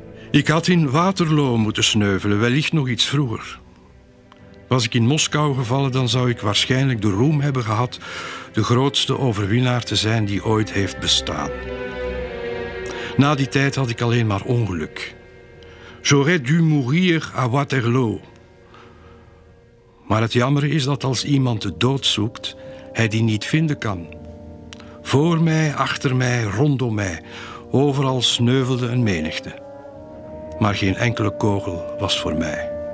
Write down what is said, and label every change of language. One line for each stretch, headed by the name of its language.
Dutch: Ik had in Waterloo moeten sneuvelen, wellicht nog iets vroeger. Was ik in Moskou gevallen, dan zou ik waarschijnlijk de roem hebben gehad de grootste overwinnaar te zijn die ooit heeft bestaan. Na die tijd had ik alleen maar ongeluk.
French: J'aurais dû mourir à Waterloo.
Dutch: Maar het jammer is dat als iemand de dood zoekt, hij die niet vinden kan. Voor mij, achter mij, rondom mij, overal sneuvelde een menigte. Maar geen enkele kogel was voor mij.